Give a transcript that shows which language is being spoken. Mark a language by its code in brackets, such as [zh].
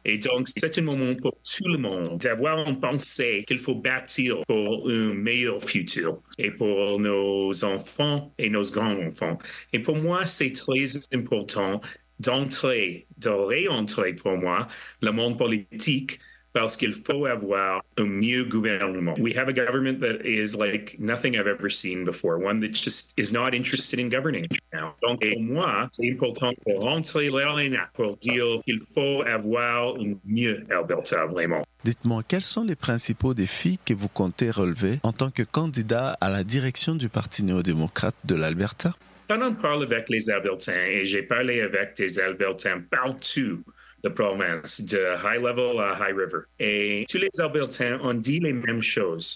[fr] Et donc, c'est un moment pour tout le monde d'avoir une pensée qu'il faut bâtir pour un meilleur futur et pour nos enfants et nos grands-enfants. Et pour moi, c'est très important d'entrer, de réentrer pour moi, le monde politique, parce qu'il faut avoir un mieux gouvernement. [en] We have a government that is like nothing I've ever seen before, one that just is not interested in governing now. [fr] Donc pour moi, c'est important de rentrer l'arena pour dire qu'il faut avoir un mieux Alberta, vraiment. Dites-moi, quels sont les principaux défis que vous comptez relever en tant que candidat à la direction du Parti néo-démocrate de l'Alberta? Quand on parle avec les Albertains, et j'ai parlé avec des Albertains partout de province, de High Level à High River, et tous les Albertains ont dit les mêmes choses.